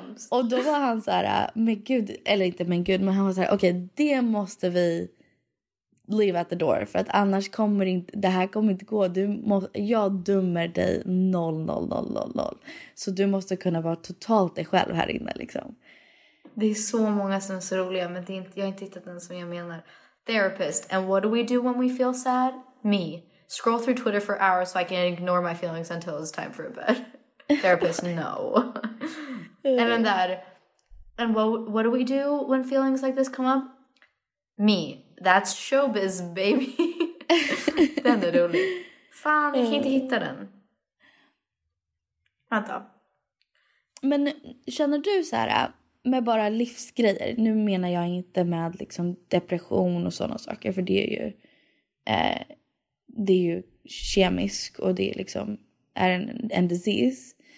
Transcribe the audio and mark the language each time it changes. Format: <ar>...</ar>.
<sv>Och då var han så här, men gud, eller inte men gud. Men han var så här, okej, det måste vi...</sv> <en>leave at the door,</en> <sv>för att annars kommer inte det här kommer inte gå. Jag dömer dig 0000. Så du måste kunna vara totalt dig själv här inne liksom. Det är så många som är så roliga, men det är inte, jag har inte hittat den som jag menar.</sv> <en>Therapist, and what do we do when we feel sad? Me. Scroll through Twitter for hours so I can ignore my feelings until it's time for a bed. Therapist, no. And then that. And what do we do when feelings like this come up? Me. That's showbiz, baby.</en> <sv>Den är rolig. Fan, jag kan inte hitta den. Vänta. Men känner du så här, med bara livsgrejer, nu menar jag inte med liksom depression och sådana saker, för det är ju kemisk och det är liksom är en disease.</sv>